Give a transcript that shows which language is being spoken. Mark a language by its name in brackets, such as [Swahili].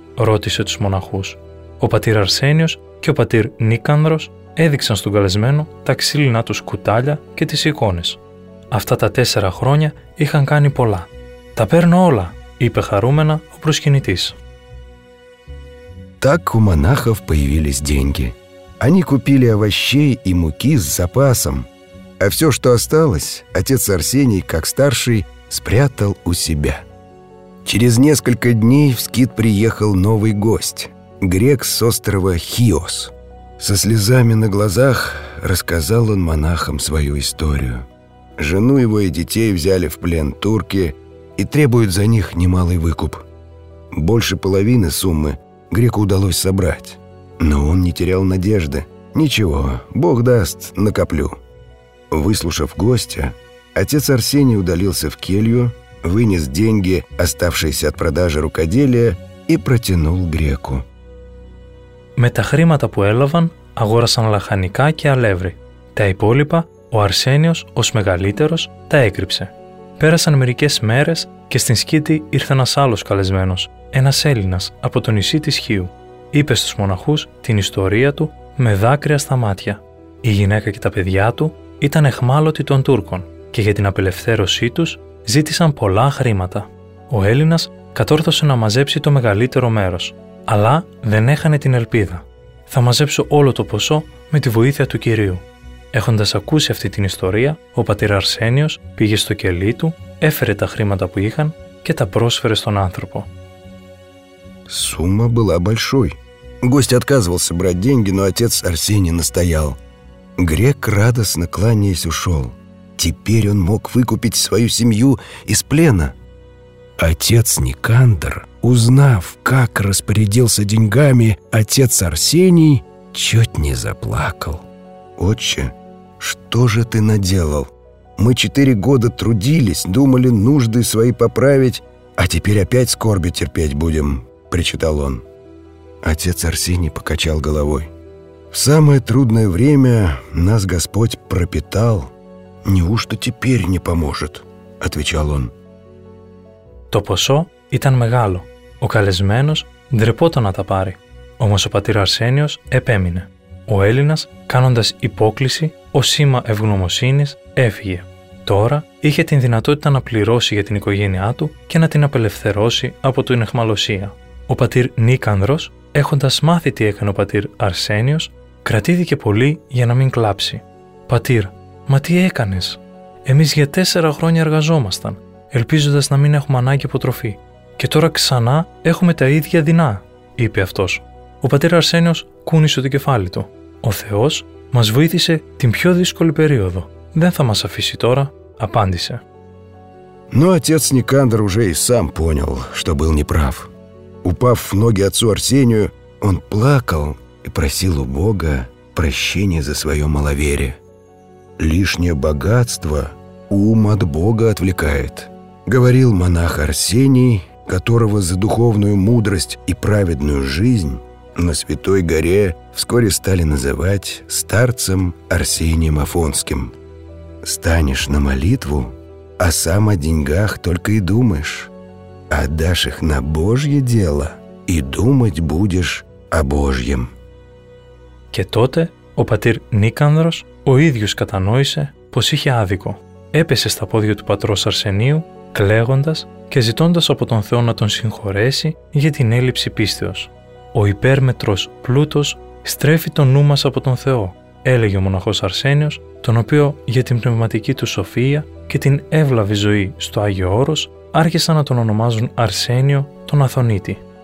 [Greek] ρώτησε τους μοναχούς. Ο πατήρ Αρσένιος και ο πατήρ Νίκανδρος έδειξαν στον καλεσμένο τα ξύλινά τους κουτάλια και τις εικόνες. Αυτά τα 4 χρόνια είχαν κάνει πολλά. «Τα παίρνω όλα», είπε χαρούμενα ο προσκυνητής. [Russian] Так у монахов появились деньги. Они купили овощей и муки с запасом. А все, что осталось, отец Арсений, как старший, спрятал у себя. Через несколько дней в скит приехал новый гость, грек с острова Хиос. Со слезами на глазах рассказал он монахам свою историю. Жену его и детей взяли в плен турки и требуют за них немалый выкуп. Больше половины суммы греку удалось собрать. Но он не терял надежды. «Ничего, Бог даст, накоплю». Выслушав гостя, отец Арсений удалился в келью, вынес деньги, оставшиеся от продажи рукоделия, и протянул греку. [Greek] Με τα χρήματα που έλαβαν, αγόρασαν λαχανικά και αλεύρι. Τα υπόλοιπα, ο Αρσένιος, ως μεγαλύτερος, τα έκρυψε. Πέρασαν μερικές μέρες και στην σκήτη ήρθε ένας άλλος καλεσμένος, ένας Έλληνας από το νησί της Χίου. Είπε στους μοναχούς την ιστορία του με δάκρυα στα μάτια. Η γυναίκα και τα παιδιά του ήταν εχμάλωτοι των Τούρκων και για την απελευθέρωσή τους ζήτησαν πολλά χρήματα. Ο Έλληνας κατόρθωσε να μαζέψει το μεγαλύτερο μέρος, αλλά δεν έχανε την ελπίδα. «Θα μαζέψω όλο το ποσό με τη βοήθεια του Κυρίου». Έχοντας ακούσει αυτή την ιστορία, ο πατήρ Αρσένιος πήγε στο κελί του, έφερε τα χρήματα που είχαν και τα πρόσφερε στον άνθρωπο. [Russian] Сумма была большой. Гость отказывался брать деньги, но отец Арсений настоял. Грек, радостно кланяясь, ушел. Теперь он мог выкупить свою семью из плена. Отец Никандр, узнав, как распорядился деньгами отец Арсений, чуть не заплакал. «Отче, что же ты наделал? Мы 4 года трудились, думали нужды свои поправить, а теперь опять скорби терпеть будем», — причитал он. Отец Арсений покачал головой. «В самое трудное время нас Господь пропитал. Неужто теперь не поможет?» — отвечал он. [Greek] То посо ήταν μεγάλο. Ο καλεσμένος ντρεπόταν να τα πάρει. Όμως ο πατήρ Αρσένιος επέμεινε. Ο Έλληνας, κάνοντας υπόκληση, ως σήμα ευγνωμοσύνης, έφυγε. Τώρα είχε την δυνατότητα να πληρώσει για την οικογένειά του και να την απελευθερώσει από την εχμαλωσία. Ο πατήρ Νίκανδρος, έχοντας μάθει τι έκανε ο πατήρ Αρσένιος, κρατήθηκε πολύ για να μην κλάψει. «Πατήρ, μα τι έκανες? Εμείς για 4 χρόνια εργαζόμασταν, ελπίζοντας να μην έχουμε ανάγκη από τροφή. Και τώρα ξανά έχουμε τα ίδια δεινά», είπε αυτός. Ο πατήρ Αρσένιος κούνησε το κεφάλι του. «Ο Θεός μας βοήθησε την πιο δύσκολη περίοδο. Δεν θα μας αφήσει τώρα», απάντησε. [Russian] Но отец Никандр уже и сам понял, что был неправ. Упав в ноги отцу Арсению, он плакал и просил у Бога прощения за свое маловерие. «Лишнее богатство ум от Бога отвлекает», говорил монах Арсений, которого за духовную мудрость и праведную жизнь на Святой Горе вскоре стали называть старцем Арсением Афонским. «Станешь на молитву, а сам о деньгах только и думаешь. Отдашь их на Божье дело, и думать будешь о Божьем». [Greek] Και тότε ο πατήρ Νίκανδρος ο ίδιος κατανόησε πως είχε άδικο. Έπεσε στα πόδια του πατρός Αρσενίου, κλαίγοντας και ζητώντας από τον Θεό να τον συγχωρέσει για την έλλειψη πίστεως. «Ο υπέρμετρος πλούτος στρέφει το νου μας από τον Θεό», έλεγε ο μοναχός Αρσένιος, τον οποίο για την πνευματική του σοφία και την εύλαβη ζωή στο Άγιο Όρος άρχισαν να τον ονομάζουν Αρσένιο τον Αθωνίτη.